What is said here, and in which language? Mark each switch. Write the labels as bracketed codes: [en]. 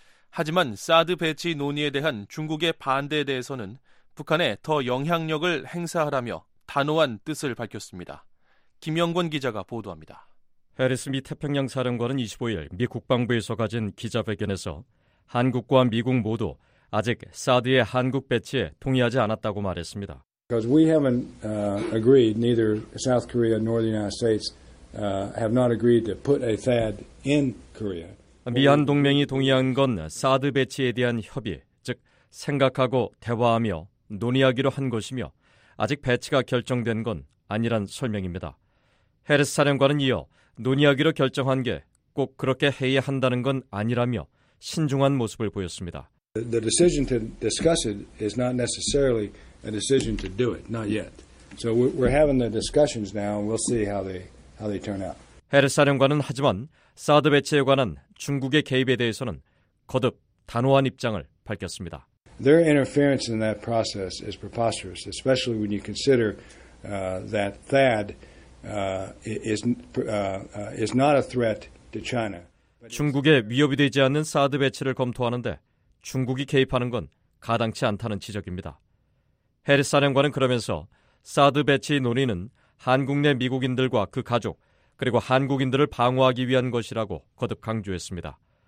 [ko] 하지만 사드 배치 논의에 대한 중국의 반대에 대해서는 북한에 더 영향력을 행사하라며 단호한 뜻을 밝혔습니다. 김영권 기자가 보도합니다. 해리스 미 태평양 사령관은 25일 미 국방부에서 가진 기자회견에서 한국과 미국 모두 아직 사드의 한국 배치에 동의하지 않았다고 말했습니다. [en] Because we haven't agreed, neither South Korea nor the United States have not agreed to put a THAAD in Korea. [ko] 미한 동맹이 동의한 건 사드 배치에 대한 협의, 즉 생각하고 대화하며 논의하기로 한 것이며 아직 배치가 결정된 건 아니란 설명입니다. 해리스 사령관은 이어 논의하기로 결정한 게 꼭 그렇게 해야 한다는 건 아니라며 신중한 모습을 보였습니다. [en] The decision to discuss it is not necessarily a decision to do it, not yet. So we're having the discussions now, and we'll see how they turn out. [ko] 해리스 사령관은 하지만 사드 배치에 관한 중국의 개입에 대해서는 거듭 단호한 입장을 밝혔습니다. [en] Their interference in that process is preposterous, especially when you consider that THAAD is not a threat to China. [ko] 중국의 위협이 되지 않는 사드 배치를 검토하는데 중국이 개입하는 건 가당치 않다는 지적입니다. 해리스 사령관은 그러면서 사드 배치 논의는 한국 내 미국인들과 그 가족 그리고 한국인들을 방어하기 위한 것이라고 거듭 강조했습니다.